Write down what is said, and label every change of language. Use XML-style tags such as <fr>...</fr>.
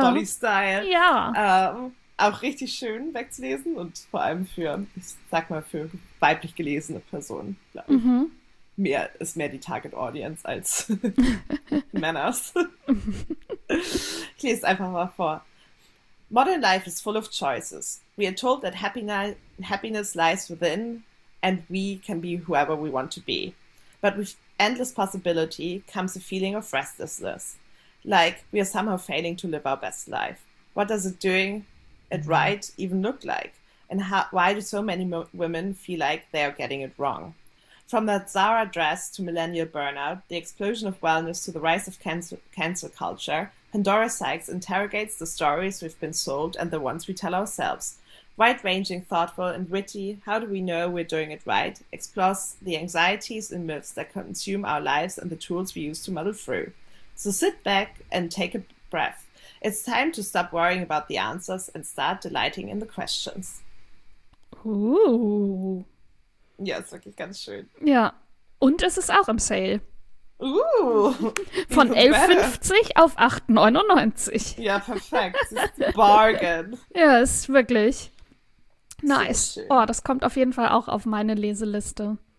<de>Dolly-Style. Ja. Auch richtig schön wegzulesen und vor allem für, ich sag mal, für weiblich gelesene Personen, glaube ich. Mhm. Mehr ist mehr die Target Audience als Männers. Ich lese einfach mal vor.</de> <en>Modern life is full of choices. We are told that happiness lies within and we can be whoever we want to be. But with endless possibility comes a feeling of restlessness. Like we are somehow failing to live our best life. What does it doing? It right even look like? And why do so many women feel like they are getting it wrong? From that Zara dress to millennial burnout, the explosion of wellness to the rise of cancel culture, Pandora Sykes interrogates the stories we've been sold and the ones we tell ourselves. Wide-ranging, thoughtful, and witty, How Do We Know We're Doing It Right? Explores the anxieties and myths that consume our lives and the tools we use to muddle through. So sit back and take a breath. It's time to stop worrying about the answers and start delighting in the questions. Ooh.</en> <de>Ja, ist wirklich ganz schön. Ja. Und es ist auch im Sale. Ooh. Von 11,50 auf 8,99. Ja, perfekt. Das ist ein Bargain. Ja, ist wirklich nice. So schön. Oh, das kommt auf jeden Fall auch auf meine Leseliste.</de>